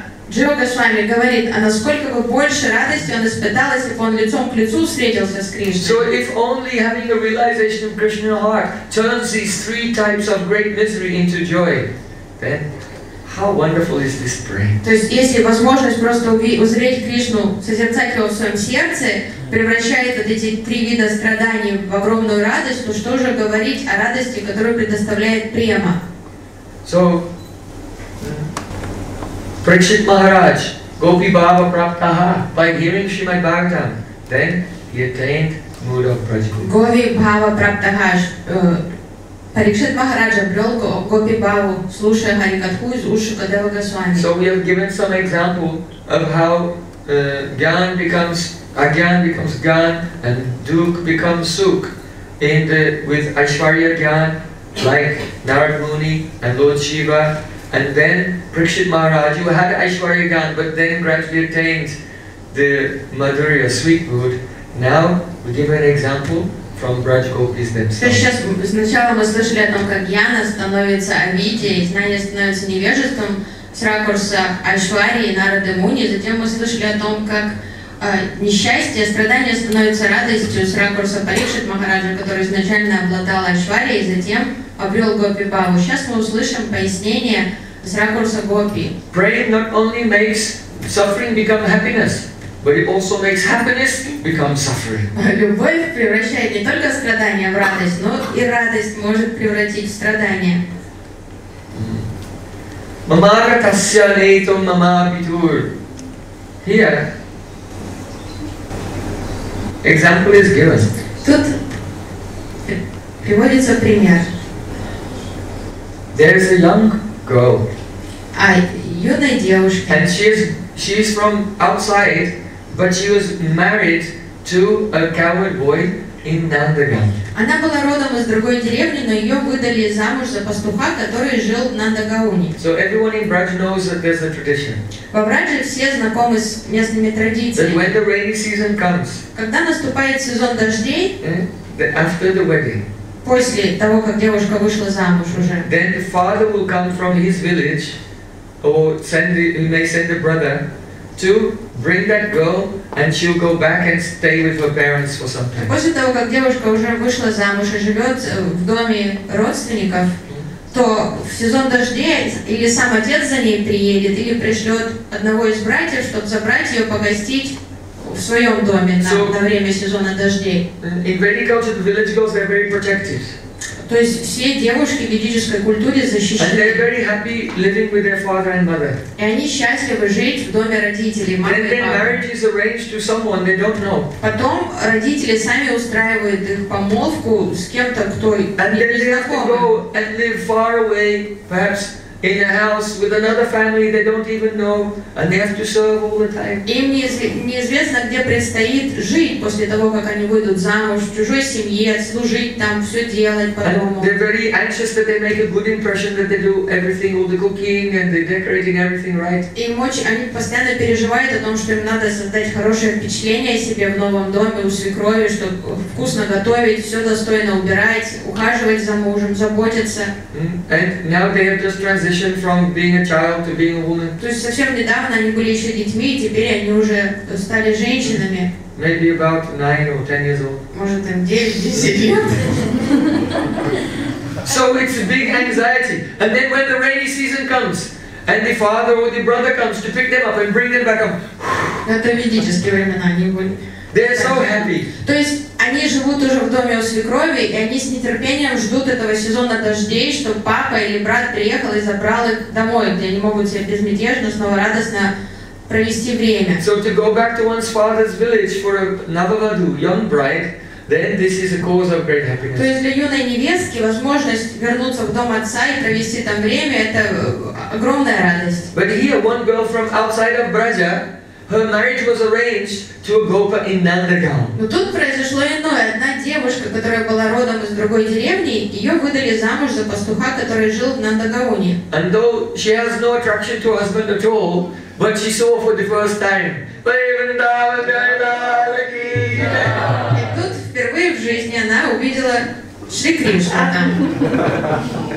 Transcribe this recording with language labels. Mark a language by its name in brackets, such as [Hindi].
[Russian] Джива Госвами говорит, а насколько бы больше радости он испытал, если бы он лицом к лицу встретился с Кришной. [English] So if only having a realization of Krishna in your heart turns these 3 types of great misery into joy. Then, how wonderful is this prayer? [Russian] То есть, если возможность просто узреть Кришну, созерцать его в своем сердце, превращает вот эти 3 вида страданий в огромную радость, то что же говорить о радости, которую предоставляет према? [English] So, Prakshit Maharaj, Gopi Bhava Praptaha, by hearing Srimad Bhagavatam, then he attained mood of Prajapati. [Russian] Gopi Bhava Praptaha, Парикшит Махараджа брел Гопи Бхаву, слушая Харикатху из уши Кадева Госвами. [English] So we have given some example of how Gyan becomes, Agyan becomes Gyan and Dukh becomes Sukh in the, with Aishwarya Gyan like Narad Muni and Lord Shiva. And then Parikshit Maharaj, who had Aishwarya Gyan but then gradually attained the Madhurya, sweet mood. Now we give an example. From Braj Gopis themselves. [Russian] Сейчас сначала мы слышали о том, как Гьяна становится Авидья, и знание становится невежеством с ракурса Айшварии и Нарады Муни. Затем мы слышали о том, как несчастье, страдание становится радостью с ракурса Парикшит Махараджа, который изначально обладал Айшварией, и затем обрел Гопи Бхаву. Сейчас мы услышим пояснение с ракурса Гопи. [English] Prayer not only makes suffering become happiness, but it also makes happiness become suffering. [Russian] Любовь превращает не только страдания в радость, но и радость может превратить в страдание. [Sanskrit] Мамара тасья нейтум мама битур. [English] Here, example is given. [Russian] Тут приводится пример. [English] There is a young girl. [Russian] А юная девушка. [English] And she is from outside. But she was married to a coward boy in Nandagam. [Russian] Она была родом из другой деревни, но ее выдали замуж за пастуха, который жил в Нандагауне. [English] So everyone in Braj knows that there's a tradition. [Russian] Во Брадже все знакомы с местными традициями. [English] That when the rainy season comes. [Russian] Когда наступает сезон дождей. [English] After the wedding. [Russian] После того, как девушка вышла замуж уже. [English] Then the father will come from his village, or he may send a brother to bring that girl, and she'll go back and stay with her parents for some time. [Russian] После того, как девушка уже вышла замуж и живет в доме родственников, то в сезон дождей или сам отец за ней приедет, или пришлет одного из братьев, чтобы забрать ее погостить в своем доме на время сезона дождей. [English] In Vedic culture, the village girls are very protective. [Russian] То есть все девушки в ведической культуре защищены. [English] And they're very happy living with their father and mother. [Russian] И они счастливы жить в доме родителей, мамы и папы. [English] Then marriage is arranged to someone they don't know. [Russian] Потом родители сами устраивают их помолвку с кем-то, кто не знаком. [English] And they have to go and live far away, perhaps in a house with another family they don't even know, and they have to serve all the time. [Russian] Им неизвестно, где предстоит жить после того, как они выйдут замуж, в чужой семье, служить там, все делать по дому. [English] They're very anxious that they make a good impression, that they do everything, all the cooking and the decorating, everything right. [Russian] Им очень, они постоянно переживают о том, что им надо создать хорошее впечатление о себе в новом доме, у свекрови, чтобы вкусно готовить, все достойно убирать, ухаживать за мужем, заботиться. [English] And now they have just transitioned from being a child to being a woman. [Russian] То есть совсем недавно они были еще детьми, и теперь они уже стали женщинами. [English] Maybe about 9 or 10 years old. [Russian] Может, им 9-10 лет. [English] So it's a big anxiety. And then when the rainy season comes, and the father or the brother comes to pick them up and bring them back home. [Russian] Это ведические времена, они были. [English] They're so happy. [Russian] То есть они живут уже в доме у свекрови, и они с нетерпением ждут этого сезона дождей, чтобы папа или брат приехал и забрал их домой, где они могут себя безмятежно, снова радостно провести время. [English] So to go back to one's father's village for a Navavadhu, young bride, then this is a cause of great happiness. [Russian] То есть для юной невестки возможность вернуться в дом отца и провести там время – это огромная радость. [English] But here, one girl from outside of Braja, her marriage was arranged to a gopa in Nandagaon. [Russian] Но тут произошло иное. Одна девушка, которая была родом из другой деревни, ее выдали замуж за пастуха, который жил в Нандагауне. [English] And though she has no attraction to her husband at all, but she saw for the first time. [Russian] И тут впервые в жизни она увидела Шри Кришну там.